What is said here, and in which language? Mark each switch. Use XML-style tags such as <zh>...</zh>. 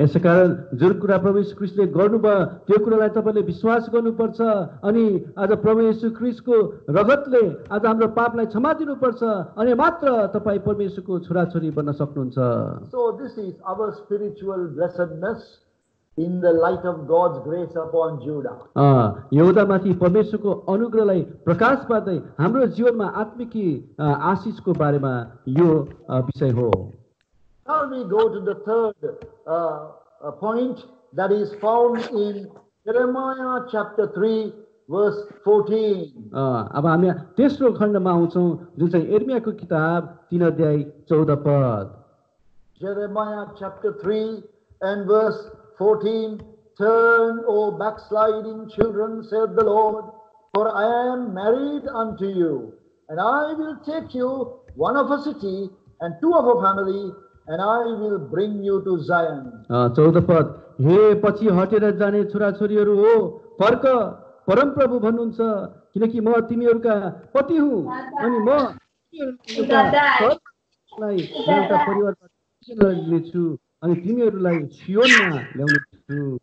<ne>Yes, कारण जुन कुरा प्रभु येशू ख्रीष्टले गर्नुभयो त्यो कुरालाई तपाईले विश्वास गर्नुपर्छ अनि आज प्रभु येशू ख्रीष्टको रगतले आज हाम्रो पापलाई क्षमा दिनुपर्छ अनि मात्र तपाई परमेश्वरको छोराछोरी बन्न सक्नुहुन्छ.</ne> <en>So this is our spiritual blessedness in the light of God's grace upon Judah.</en> <ne>यहुदा माथि परमेश्वरको अनुग्रहलाई प्रकाश पार्दै हाम्रो जीवनमा आत्मिक आशिषको बारेमा यो विषय हो.</ne> <en>Now we go to the third point that is found in Jeremiah chapter 3 verse 14.</en> <ne>अब हामी तेस्रो खण्डमा आउँछौ जुन चाहिँ यर्मियाको किताब 3 अध्याय 14 पद.</ne> <en>Jeremiah chapter 3 and verse 14, turn, O backsliding children, saith the Lord, for I am married unto you, and I will take you one of a city and two of a family, and I will bring you to Zion.</en> <ne>14 पद, हे पछि हटेर जाने छोरा छोरीहरू हो, फर्क, परम प्रभु भन्नुहुन्छ, किनकि म तिमीहरूका पति हुँ, अनि म तिमीहरूका परिवारलाई लिन्छु. अनि तिमीहरूलाई सियोनमा ल्याउने छु.</ne>